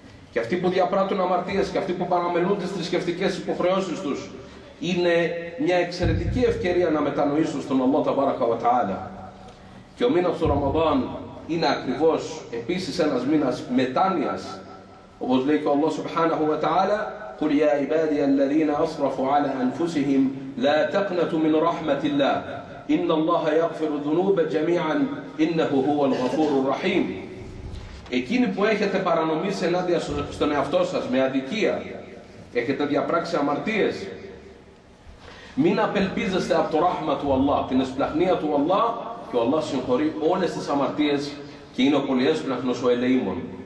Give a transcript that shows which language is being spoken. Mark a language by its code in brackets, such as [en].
[el] Και αυτοί που διαπράττουν αμαρτίες και αυτοί που παραμελούν τις θρησκευτικές υποχρεώσεις τους, είναι μια εξαιρετική ευκαιρία να μετανοήσουν στον Αλλάχ ταμπάρακα ο τα'άλα. Και ο μήνας του Ραμαδάν είναι ακριβώς επίσης ένας μήνας μετάνοιας. Όπως λέει και ο Αλλάχ [ar] subhanahu wa ta'ala, قُلْ يَا عِبَادِيَ الَّذِينَ أَصْرَفُوا عَلَىٰ أَنفُسِهِمْ لَا تَقْنَتُوا مِنْ رَحْمَةِ اللَّهِ إن الله يغفر الذنوب جميعا إنه هو الغفور الرحيم. [el] Εκείνοι που έχετε παρανομήσει ενάντια στον εαυτό σας με αδικία, έχετε διαπράξει αμαρτίες, μην απελπίζεστε από το ράχμα του Αλλά, την εσπλαχνία του Αλλά, και ο Αλλά συγχωρεί όλες τις αμαρτίες και είναι ο πολυέσπλαχνος ο ελεήμων.